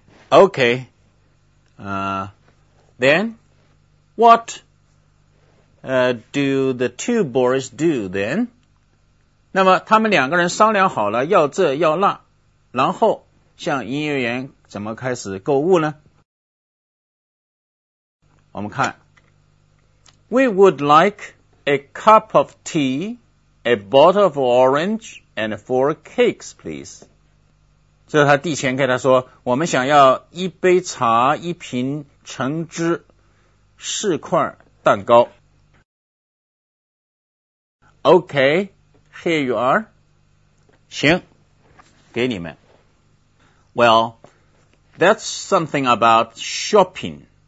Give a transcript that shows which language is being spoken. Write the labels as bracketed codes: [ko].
[en] Okay, then, what, do the two boys do then? [zh] 那么他们两个人商量好了要这要那，然后向营业员怎么开始购物呢？我们看 [en] ,We would like a cup of tea, a bottle of orange, and four cakes, please. [zh] 这是他递钱给他说，我们想要一杯茶，一瓶橙汁，四块蛋糕。 [en] OK, here you are. [zh] 行，给你们。 [en] Well, that's something about shopping.